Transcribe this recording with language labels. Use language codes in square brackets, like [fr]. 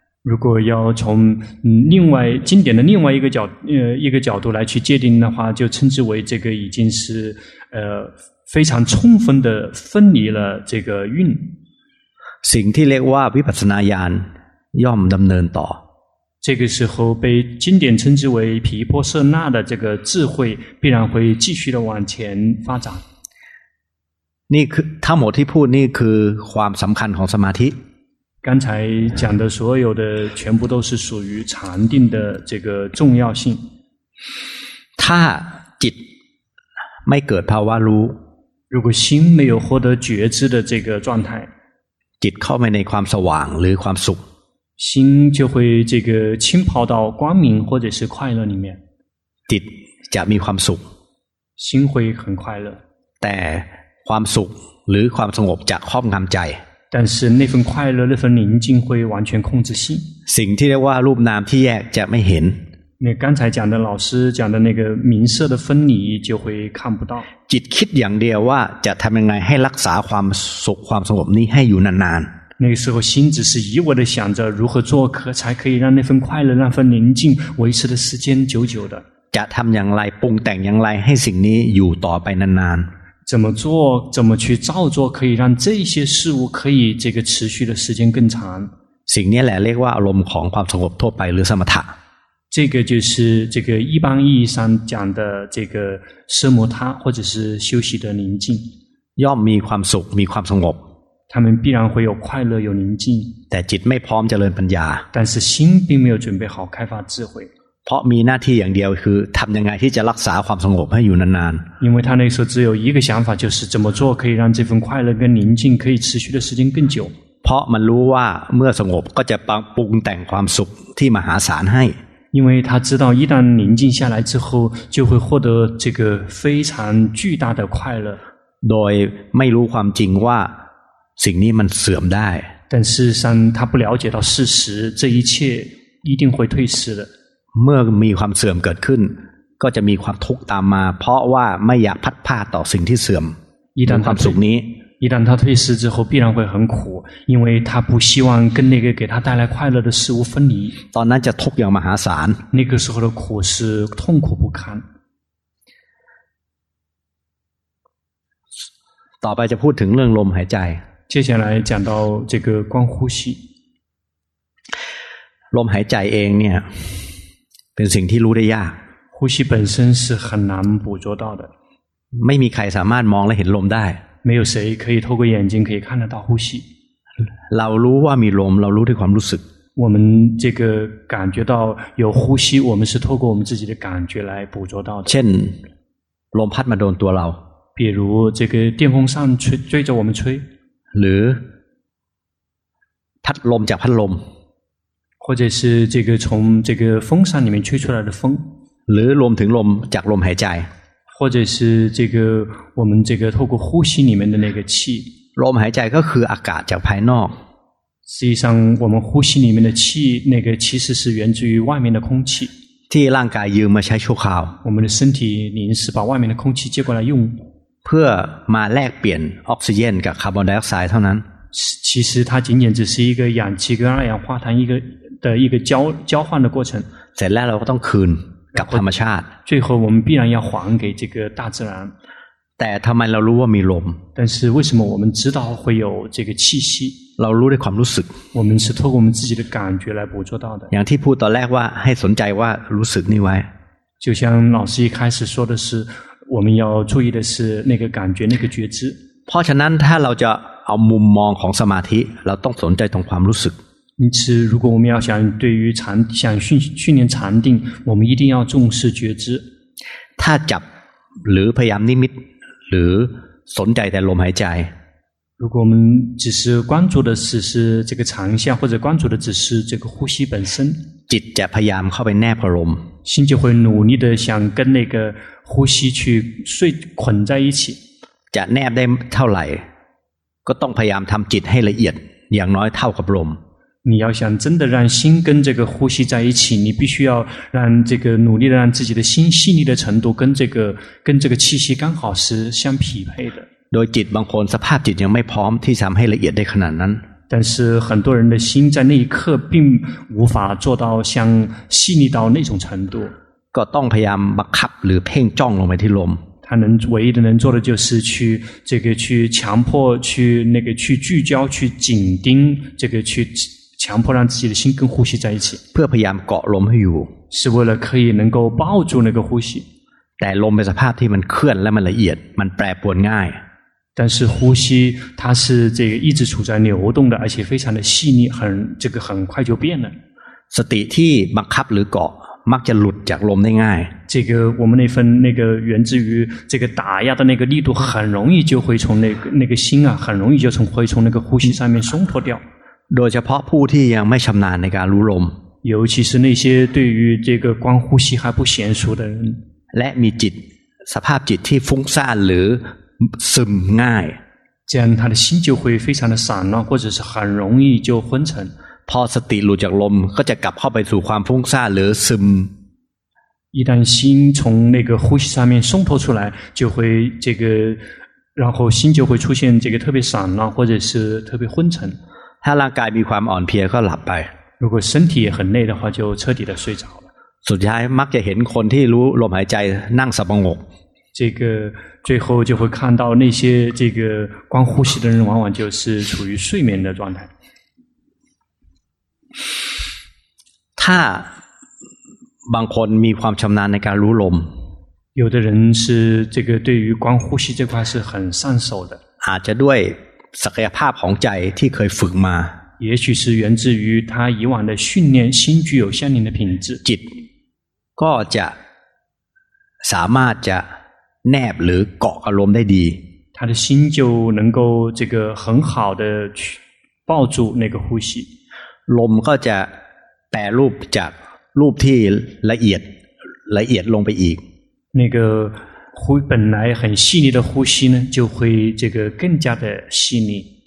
[zh] 如果要从另外经典的另外一个角一个角度来去界定的话，就称之为这个已经是非常充分的分离了这个蕴。 [th] สิ่งที่เรียกว่าวิปัสสนาญาณย่อมดำเนินต่อ [zh] 这个时候被经典称之为毗婆舍那的这个智慧必然会继续的往前发展。 [th] นี่คือทั้งหมดที่พูดนี่คือความสำคัญของสมาธิ [zh] 刚才讲的所有的全部都是属于禅定的这个重要性。 [th] ถ้าจิตไม่เกิดภาวะรู้ [zh] 如果心没有获得觉知的这个状态 [th] จิตเข้าไปในความสว่างหรือความสุข [zh] 心就会这个浸泡到光明或者是快乐里面 [th] จิตจะมีความสุข [zh] 心会很快乐 [th] แต่ความสุขหรือความสงบจะครอบงำใจ [zh] 但是那份快乐那份宁静会完全控制心 [th] สิ่งที่เรียกว่ารูปนามที่แยกจะไม่เห็น เนี่ยการ [zh] 才讲的老师讲的那个名色的分离就会看不到 [th] จิตคิดอย่างเดียวว่าจะทำยังไงให้รักษาความสุขความสงบนี้ให้อยู่นานๆ [zh] 那个时候心只是一味的想着如何做可才可以让那份快乐那份宁静维持的时间久久的 [th] จะทำอย่างไรปรุงแต่งอย่างไรให้สิ่งนี้อยู่ต่อไปนาน [zh] ๆ怎么做怎么去照做可以让这些事物可以这个持续的时间更长 [th] สิ่งนี้แหละเรียกว่าอารมณ์ของความสงบทั่วไปหรือสมถะ [zh] 这个就是这个一般意义上讲的这个奢摩他或者是休息的宁静要 [th] มีความสุขมีความสงบ [zh] 他们必然会有快乐有宁静 [th] แต่จิตไม่พร้อมเจริญปัญญา [zh] 但是心并没有准备好开发智慧 [th] เพราะมีหน้าที่อย่างเดียวคือทำยังไงที่จะรักษาความสงบให้อยู่นาน [zh] ๆ因为他那时候只有一个想法就是怎么做可以让这份快乐跟宁静可以持续的时间更久 [th] เพราะมันรู้ว่าเมื่อสงบก็จะปรุงแต่งความสุขที่มหาศาลให้ [zh] 因为他知道一旦宁静下来之后就会获得这个非常巨大的快乐 [th] โดยไม่รู้ความจริงว่าสิ่งนี้มันเสื่อมได้ [zh] 但事实上他不了解到事实这一切一定会退失的 [th] เมื่อมีความเสื่อมเกิดขึ้นก็จะมีความทุกข์ตามมาเพราะว่าไม่อยากพัดพาต่อสิ่งที่เสื่อม ใน ความสุขนี้ [zh] 一旦他退失之后必然会很苦因为他不希望跟那个给他带来快乐的事物分离 [th] ตอนนั้นจะทุกข์อย่างมหาศาล [zh] 那个时候的苦是痛苦不堪 [th] ต่อไปจะพูดถึงเรื่องลมหายใจ [zh] 接下来讲到这个光呼吸 [th] ลมหายใจเองเนี่ยเป็นสิ่งที่รู้ได้ยาก [zh] 呼吸本身是很难捕捉到的 [th] ไม่มีใครสามารถมองและเห็นลมได้ [zh] 没有谁可以透过眼睛可以看得到呼吸 [th] เรารู้ว่ามีลมเรารู้ด้วยความรู้สึก [zh] 我们这个感觉到有呼吸我们是透过我们自己的感觉来捕捉到 [th] เช่นลมพัดมาโดนตัวเรา [zh] 比如这个电风扇吹追着我们吹 [th] หรือพัดลมจากพัดลม [zh] 或者是这个从这个风扇里面吹出来的风 [th] หรือลมถึงลมจากลมหายใจ [zh] 或者是这个我们这个透过呼吸里面的那个气 [th] ลมหายใจก็คืออากาศจากภายนอก [zh] 实际上我们呼吸里面的气那个其实是源自于外面的空气 [th] ที่ร่างกายยืมมาใช้ชั่วคราว [zh] 我们的身体临时把外面的空气接过来用 [th] เพื่อมาแลกเปลี่ยนออกซิเจนกับคาร์บอนไดออกไซด์เท่านั้น [zh] 其实它仅仅只是一个氧气跟二氧化碳一个的一个交换的过程 [th] เสร็จแล้วเราก็ต้องคืนกับธรรมชาติ [zh] 最后我们必然要还给这个大自然 [th] แต่ทำไมเรารู้ว่ามีลม [zh] 但是为什么我们知道会有这个气息 [th] เรารู้ด้วยความรู้สึก [zh] 我们是透过我们自己的感觉来捕捉到的 [th] อย่างที่พูดตอนแรกว่าให้สนใจว่ารู้สึกนี่ไว้ [zh] 就像老师一开始说的是我们要注意的是那个感觉那个觉知 [th] เพราะฉะนั้นถ้าเราจะเอามุมมองของสมาธิเราต้องสนใจตรงความรู้สึก [zh] 因此如果我们要想对于禅想训练禅定我们一定要重视觉知 [th] ถ้าจับหรือพยายามนิมิตหรือสนใจแต่ลมหายใจ [zh] 如果我们只是关注的只是这个禅相或者关注的只是这个呼吸本身 [th] จิตจะพยายามเข้าไปแนบลม [zh] 心就会努力的想跟那个呼吸去睡捆在一起 [th] จะแนบได้เท่าไหร่ ก็ต้องพยายามทำจิตให้ละเอียดอย่างน้อยเท่ากับลม [zh] 你要想真的让心跟这个呼吸在一起，你必须要让这个努力的让自己的心细腻的程度跟这个气息刚好是相匹配的。 [th] โดยจิตบางคนสภาพจิตยังไม่พร้อมที่จะทำให้ละเอียดได้ขนาดนั้น [zh] 但是很多人的心在那一刻并无法做到像细腻到那种程度。 [th] ก็ต้องพยายามบังคับหรือเพ่งจ้องลงไปที่ลม [zh] 他能唯一的能做的就是去这个去强迫去那个去聚焦去紧盯这个去强迫让自己的心跟呼吸在一起。 [th] เพื่อพยายามเกาะลมให้อยู่ [zh] 是为了可以能够抱住那个呼吸。 [th] แต่ลมเป็นสภาพที่มันเคลื่อนและมันละเอียดมันแปรปรวนง่าย [zh] 但是呼吸它是这个一直处在流动的而且非常的细腻很这个很快就变了。 [th] สติที่บังคับหรือเกาะมักจะหลุดจากลมได้ง่าย [zh] 这个我们那份那个源自于这个打压的那个力度很容易就会从那个心啊很容易就会从那个呼吸上面松脱掉 [th] โดยเฉพาะผู้ที่ยังไม่ชำนาญในการรู้ลม [zh] 尤其是那些对于这个光呼吸还不娴熟的人 [th] และมีจิตสภาพจิตที่ฟุ้งซ่านหรือซึมง่าย [zh] 这样他的心就会非常的散乱或者是很容易就昏沉 [th] พอสติหลุดจากลมก็จะกลับเข้าไปสู่ความฟุ้งซ่านหรือซึม [zh] 一旦心从那个呼吸上面松脱出来就会这个然后心就会出现这个特别散乱或者是特别昏沉 [th] ถ้าร่างกายมีความอ่อนเพลียก็หลับไป [zh] 如果身体也很累的话就彻底的睡着了 [th] สุดท้ายมักจะเห็นคนที่รู้ลมหายใจนั่งสงบ [zh] 这个最后就会看到那些这个光呼吸的人往往就是处于睡眠的状态 [th] ถ้าบางคนมีความชำนาญในการรู้ลม [zh] 有的人是这个对于光呼吸这块是很上手的 [th] อาจจะด้วยศักยภาพของใจที่เคยฝึกมา [zh] 也许是源自于他以往的训练心具有相应的品质 [th] จิตก็จะสามารถจะแนบหรือเกาะอารมณ์ได้ดี [zh] 他的心就能够这个很好的去抱住那个呼吸 [th] ลมก็จะแปรรูปจากรูปที่ละเอียดลงไปอีก [zh] 那个呼本来很细腻的呼吸呢就会这个更加的细腻